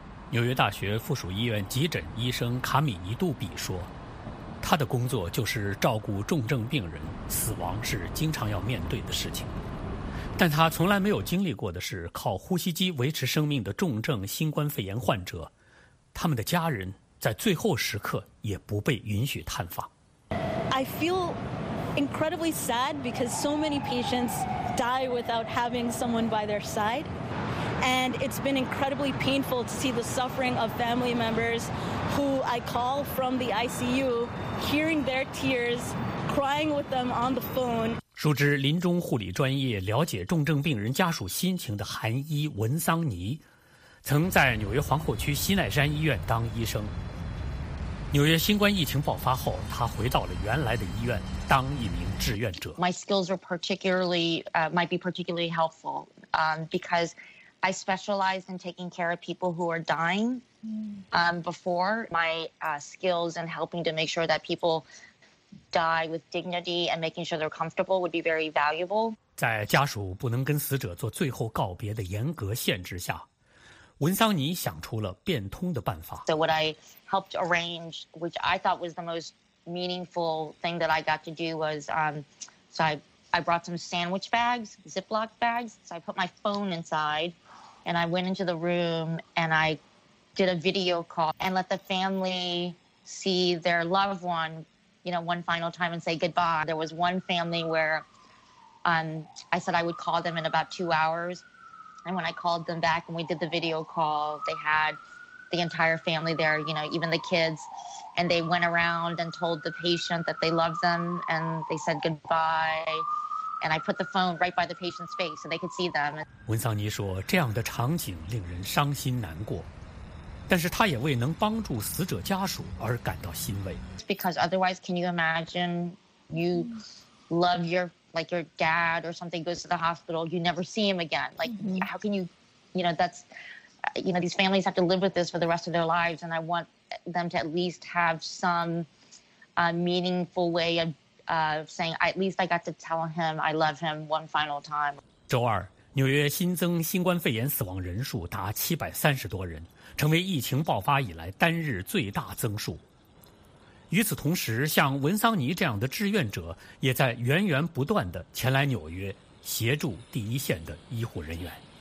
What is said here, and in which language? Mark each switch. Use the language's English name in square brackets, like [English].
[Chinese] 纽约大学附属医院急诊医生卡米尼杜比说，他的工作就是照顾重症病人，死亡是经常要面对的事情。但他从来没有经历过的是靠呼吸机维持生命的重症新冠肺炎患者，他们的家人在最后时刻也不被允许探访。 [English] I feel incredibly sad because so many patients die without having someone by their side. And it's been incredibly painful to see the suffering of family members who I call from the ICU, hearing their tears, crying with them on the phone. [Chinese] 熟知临终护理专业、了解重症病人家属心情的韩医文桑尼，曾在纽约皇后区西奈山医院当医生。纽约新冠疫情爆发后，他回到了原来的医院当一名志愿者。 [English] My skills are particularly, might be particularly helpful, because. I specialize in taking care of people who are dying. Before, my skills in helping to make sure that people die with dignity and making sure they're comfortable would be very valuable. [Chinese] 在家属不能跟死者做最后告别的严格限制下，文桑尼想出了变通的办法。 [English] So what I helped arrange, which I thought was the most meaningful thing that I got to do was I brought some sandwich bags, Ziploc bags. So I put my phone inside and I went into the room and I did a video call and let the family see their loved one, you know, one final time and say goodbye. There was one family where I said I would call them in about 2 hours. And when I called them back and we did the video call, they had the entire family there, you know, even the kids. And they went around and told the patient that they loved them and they said goodbye. And I put the phone right by the patient's face so they could see them. [Chinese] 文桑尼说，这样的场景令人伤心难过，但是他也为能帮助死者家属而感到欣慰。 [English] Because otherwise, can you imagine you love your, like your dad or something goes to the hospital, you never see him again. Like, how can you, you know, that's, you know, these families have to live with this for the rest of their lives. And I want them to at least have some meaningful way of saying, at least I got to tell him I love him one final time. [Chinese] 周二，纽约新增新冠肺炎死亡人数达730多人，成为疫情爆发以来单日最大增数。与此同时，像文桑尼这样的志愿者也在源源不断地前来纽约协助第一线的医护人员。